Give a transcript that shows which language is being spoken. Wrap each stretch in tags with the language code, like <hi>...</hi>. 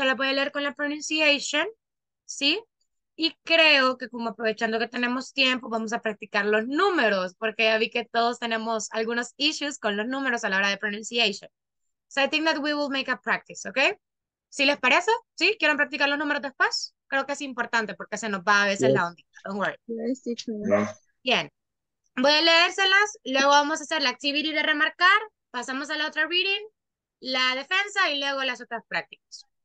<es>Se la voy a leer con la pronunciation. ¿Sí? Y creo que como aprovechando que tenemos tiempo, vamos a practicar los números, porque ya vi que todos tenemos algunos issues con los números a la hora de pronunciation.</es> <en>So I think that we will make a practice, okay?</en> <es>¿Sí les parece? ¿Sí? ¿Quieren practicar los números después? Creo que es importante porque se nos va a veces la ondita.</es> <en>Don't worry.</en> <es>Bien. Voy a leérselas, luego vamos a hacer la activity de remarcar, pasamos a la otra reading, la defensa y luego las otras prácticas.</es>